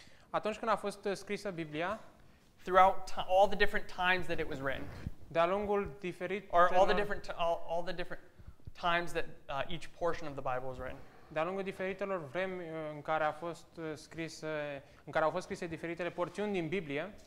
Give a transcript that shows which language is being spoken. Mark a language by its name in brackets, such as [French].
[Romanian] atunci când a fost scrisă Biblia, [English] throughout all the different times that it was written, [Romanian] de-a lungul diferit [English] or all the different times that each portion of the Bible was written. [Romanian] De-a lungul diferitelor vremi în care a fost scrisă, în care au fost scrise diferitele porțiuni din Biblie,